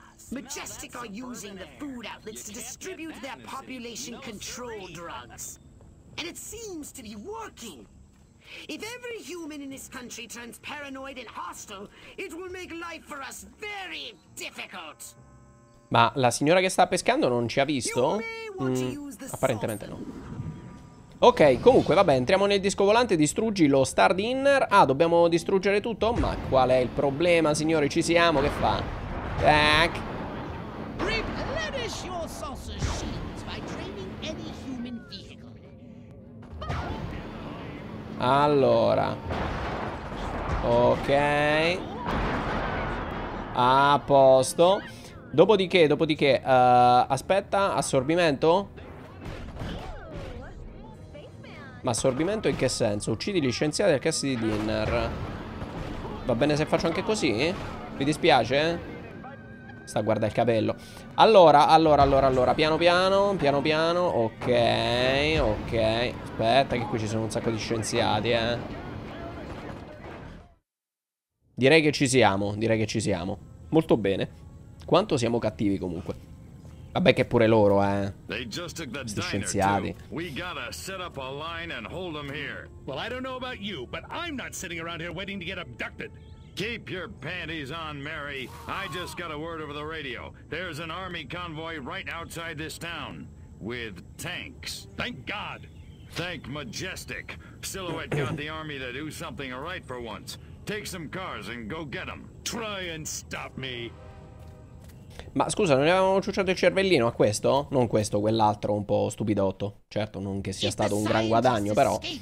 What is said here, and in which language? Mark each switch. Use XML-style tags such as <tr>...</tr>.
<en>Majestic are using the food outlets to distribute their population control drugs. And it seems to be working. If every human in this country turns paranoid and hostile, it will make life for us very difficult.</en> <it>Ma la signora che sta pescando non ci ha visto? Apparentemente no. Ok, comunque vabbè, entriamo nel disco volante, distruggi lo Star Dinner. Ah, dobbiamo distruggere tutto? Ma qual è il problema, signori? Ci siamo, che fa? Tac.</it> <en>Replenish your saucer shields by training any human vehicle.</en> <it>Allora. Ok. A posto. Dopodiché, aspetta, assorbimento? Ma assorbimento in che senso? Uccidi gli scienziati del cast di Dinner. Va bene se faccio anche così? Mi dispiace? Sta a guardare il capello. Allora, piano piano, piano piano. Ok. Aspetta che qui ci sono un sacco di scienziati, eh. Direi che ci siamo, direi che ci siamo. Molto bene. Quanto siamo cattivi comunque. Vabbè che pure loro, eh.</it> <en>They just took the</en> <it>Sti</it> <en>diner too.</en> <it>scienziati.</it> <en>We gotta set up a line and hold them here. Well, I don't know about you, but I'm not sitting around here waiting to get abducted. Keep your panties on, Mary. I just got a word over the radio. There's an army convoy right outside this town. with tanks. Thank God. Thank Majestic. Silhouette got the army to do something right for once. Take some cars and go get them. Try and stop me.</en> <it>Ma scusa, non avevamo ciucciato il cervellino a questo? Non questo, quell'altro un po' stupidotto. Certo, non che sia stato un gran guadagno, però.</it>